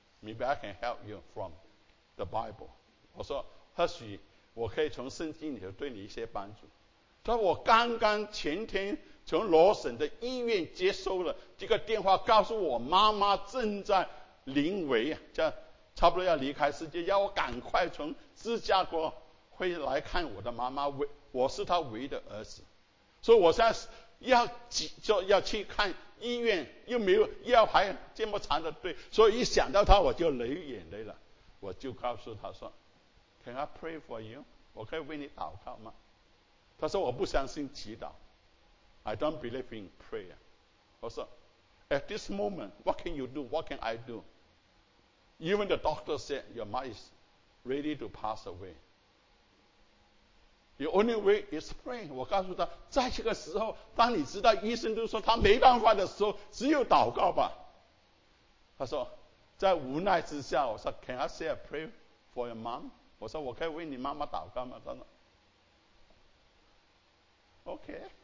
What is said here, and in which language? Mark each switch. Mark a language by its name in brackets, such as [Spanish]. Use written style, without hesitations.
[English] Maybe I can help you from the Bible. [Chinese] 我说或许我可以从圣经里头对你一些帮助。他说我刚刚前天从罗森的医院接收了这个电话，告诉我妈妈正在临危，叫差不多要离开世界，要我赶快从芝加哥回来看我的妈妈，我是她唯一的儿子，所以我现在要去看医院，又没有要排这么长的队，所以一想到她我就流眼泪了。我就告诉她说 [English] Can I pray for you? [Chinese] 我可以为你祷告吗？她说我不相信祈祷， [English] I don't believe in prayer. [Chinese] 我说 [English] At this moment, what can you do? What can I do? Even the doctor said your mom is ready to pass away. The only way is pray. [Chinese] 我告诉他，在这个时候，当你知道医生都说他没办法的时候，只有祷告吧。他说，在无奈之下，我说 [English] Can I say a prayer for your mom? [Chinese] 我说我可以为你妈妈祷告吗？他说 OK.